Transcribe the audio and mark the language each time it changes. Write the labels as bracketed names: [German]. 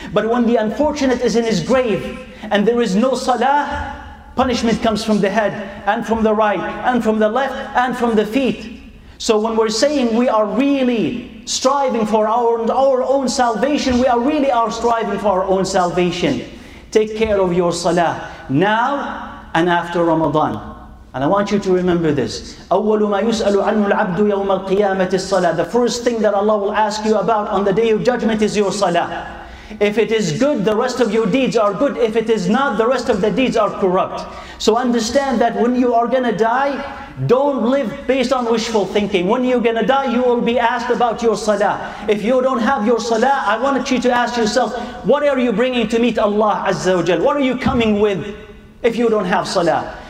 [English] But when the unfortunate is in his grave and there is no salah, punishment comes from the head and from the right and from the left and from the feet. So when we're saying we are really striving for our own salvation, we are really are striving for our own salvation. Take care of your salah now and after Ramadan. And I want you to remember this. [Arabic] أول ما يسأل عنه العبد يوم القيامة الصلاة. [English] The first thing that Allah will ask you about on the day of judgment is your salah. If it is good, the rest of your deeds are good. If it is not, the rest of the deeds are corrupt. So understand that when you are going to die, don't live based on wishful thinking. When you're going to die, you will be asked about your salah. If you don't have your salah, I want you to ask yourself, what are you bringing to meet Allah Azza wa Jal? What are you coming with if you don't have salah?